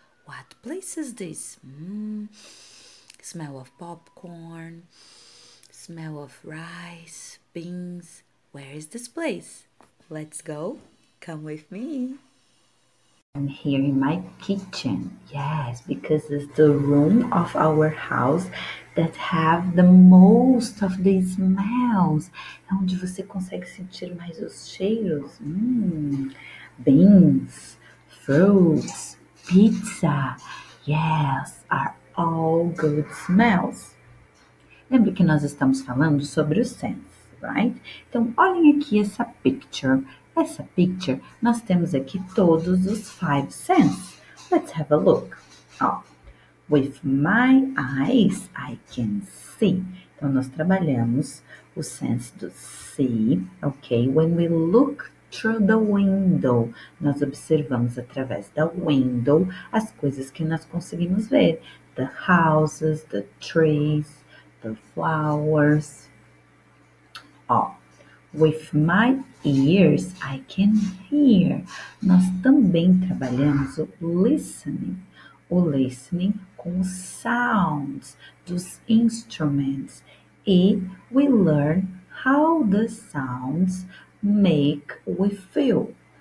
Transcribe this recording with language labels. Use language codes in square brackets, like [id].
[en] What place is this? Smell of popcorn, smell of rice, beans. Where is this place? Let's go. Come with me. I'm here in my kitchen. Yes, because it's the room of our house that have the most of these smells. [pt] É onde você consegue sentir mais os cheiros. [en] Beans, fruits, pizza. Yes, are all good smells. [pt] Lembra que nós estamos falando sobre os scents, [en] right? [pt] Então, olhem aqui essa picture. Essa picture, nós temos aqui todos os [en] five senses. Let's have a look. Oh, with my eyes, I can see. [pt] Então, nós trabalhamos o sense do see, ok? [en] When we look through the window, [pt] nós observamos através da window as coisas que nós conseguimos ver. [en] The houses, the trees, the flowers. Ó. Oh. With my ears, I can hear. [pt] Nós também trabalhamos o listening com os sounds dos instruments. [en] E we learn how the sounds make we feel.